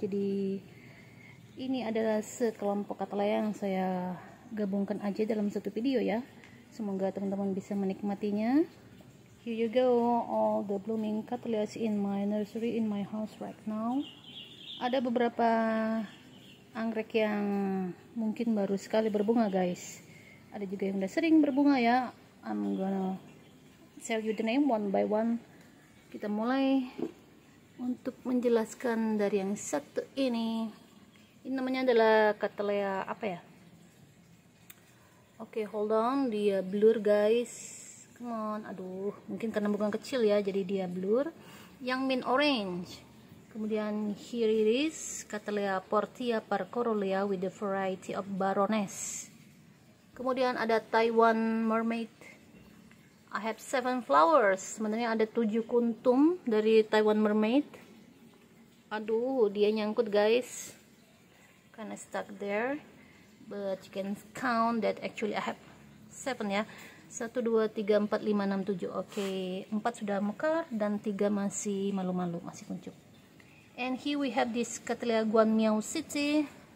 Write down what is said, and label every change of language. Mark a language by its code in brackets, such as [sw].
[id] Jadi ini adalah sekelompok kata yang saya gabungkan aja dalam satu video ya. Semoga teman-teman bisa menikmatinya. [en] Here you go, all the blooming cattleyas in my nursery, in my house right now. [id] Ada beberapa anggrek yang mungkin baru sekali berbunga guys. Ada juga yang udah sering berbunga ya. [en] I'm gonna tell you the name one by one. [id] Kita mulai untuk menjelaskan dari yang satu ini. Ini namanya adalah cattleya apa ya? Oke, [en] hold on, [id] dia blur guys. [en] Come on, [id] aduh, mungkin karena bunga kecil ya, jadi dia blur. Yang mint orange. Kemudian [en] here it is, cattleya Portia parcorolea with the variety of Baroness. [id] Kemudian ada Taiwan Mermaid. [en] I have 7 flowers. [id] Sebenarnya ada 7 kuntum dari Taiwan Mermaid. Aduh, dia nyangkut guys. [en] Kind of stuck there. But you can count that actually I have 7 ya. 1, 2, 3, 4, 5, 6, 7. [id] Oke, 4 sudah mekar dan 3 masih malu-malu, masih kuncup. [en] And here we have this Cattleya Guanmiao City.